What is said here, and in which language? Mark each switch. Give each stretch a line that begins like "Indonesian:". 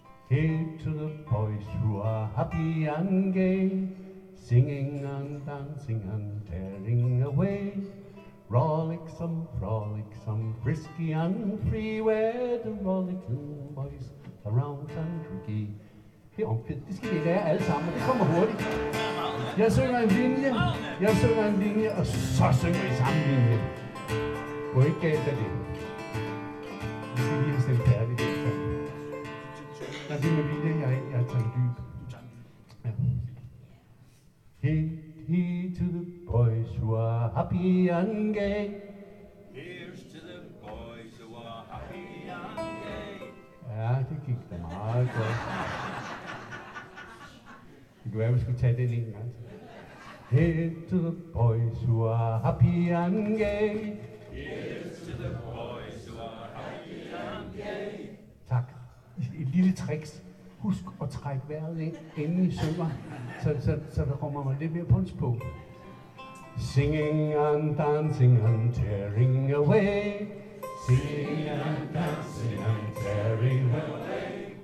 English: Hey to the boys who are happy and gay, singing and dancing and tearing away, rollicksome, frolicsome, frisky and free, where the rollicking boys around Tandrigi.
Danish: Det er omkvædt, det skal I lære alle sammen, det kommer hurtigt. Jeg synger en linje, jeg synger en linje, og så synger vi samme linje. Gå ikke galt af det. Vi skal lige have stemt færdigt. Lad os lige med vilje, jeg tager en dyb.
English: Hit, hit to the boys who are happy and gay. Here's to the boys who are happy and gay.
Danish: Ja, det gik da meget godt. Det kunne være, vi skulle tage den en gang.
English: Hit to the boys who are happy and gay. Here's to the boys who are happy and gay.
Danish: Tak. Et lille tricks. Husk at trække vejret ind, inden I synger, så der kommer mig lidt mere punch på.
English: Singing and dancing and tearing away. Singing and dancing and tearing away.